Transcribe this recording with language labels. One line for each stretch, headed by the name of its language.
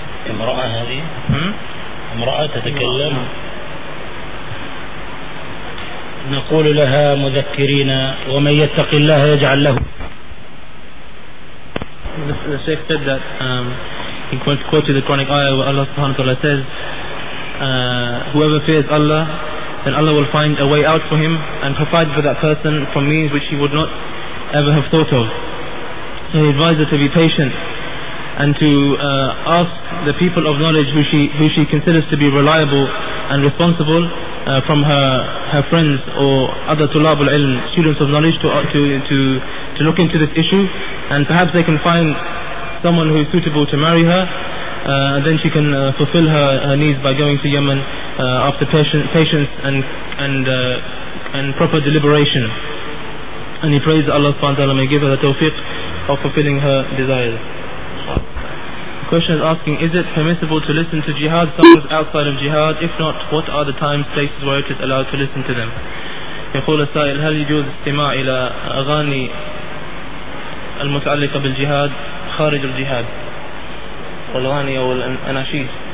Arabic: امرأة هذه؟ امرأة تتكلم نقول لها مذكرين ومن يتق الله يجعل له
English: الشيخ said that he quoted the Quranic ayah where Allah subhanahu wa ta'ala says whoever fears Allah then Allah will find a way out for him and provide for that person from means which he would not ever have thought of. So he advised her to be patient and to ask the people of knowledge who she considers to be reliable and responsible from her friends or other tulab al-ilm, students of knowledge, to look into this issue, and perhaps they can find someone who is suitable to marry her, and then she can fulfill her needs by going to Yemen after patience and proper deliberation. And he prays that Allah subhanahu wa ta'ala may give her the tawfiq of fulfilling her desires. The question is asking, is it permissible to listen to jihad songs outside of jihad? If not, what are the times, places where it is allowed to listen to them?
Arabic: يقول السائل هل يجوز استماع إلى أغاني المتعلقة بالجهاد خارج الجهاد والغاني أو الأناشيد؟